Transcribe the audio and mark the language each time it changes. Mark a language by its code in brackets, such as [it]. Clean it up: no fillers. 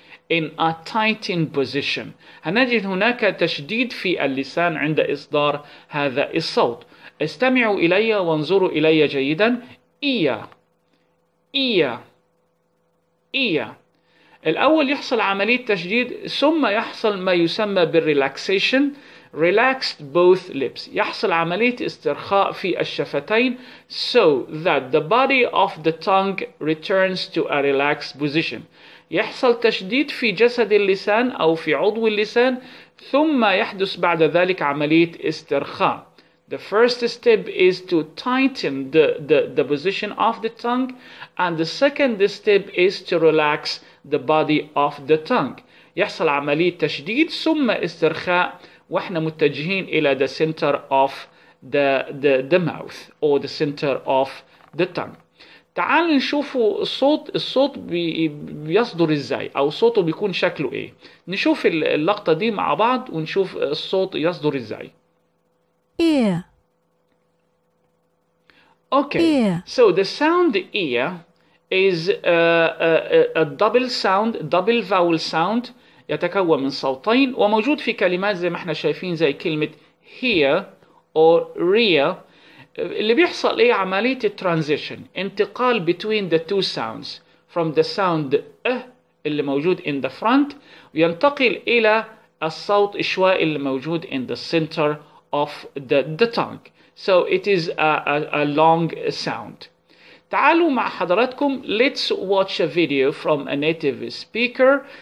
[en] in a tightened position [ar] هنجد هناك تشديد في اللسان عند إصدار هذا الصوت استمعوا إلي وانظروا إلي جيدا إيا إيا إيا الأول يحصل عملية تشديد ثم يحصل ما يسمى بالريلاكسيشن [en] relaxed both lips. [ar] يحصل عملية استرخاء في الشفتين [en] so that the body of the tongue returns to a relaxed position. [ar] يحصل تشديد في جسد اللسان أو في عضو اللسان ثم يحدث بعد ذلك عملية استرخاء. [en] The first step is to tighten the position of the tongue and the second step is to relax the body of the tongue. [ar] يحصل عملية تشديد ثم استرخاء واحنا متجهين الى [en] the center of the mouth or the center of the tongue. [ar] تعال نشوفوا الصوت بيصدر ازاي او صوته بيكون شكله ايه. نشوف اللقطة دي مع بعض ونشوف الصوت يصدر ازاي. [en] Ear. Okay. Ear. So the sound ear is a double sound, double vowel sound. [ar] يتكون من صوتين وموجود في كلمات زي ما احنا شايفين زي كلمة [en] hear or rear. [ar] اللي بيحصل ايه عملية transition, انتقال [en] between the two sounds from the sound [ar] اللي موجود [en] in the front [ar] وينتقل الى الصوت الشواء اللي موجود [en] in the center of the tongue. So it is a long sound. [ar] تعالوا مع حضراتكم, [en] let's watch a video from a native speaker.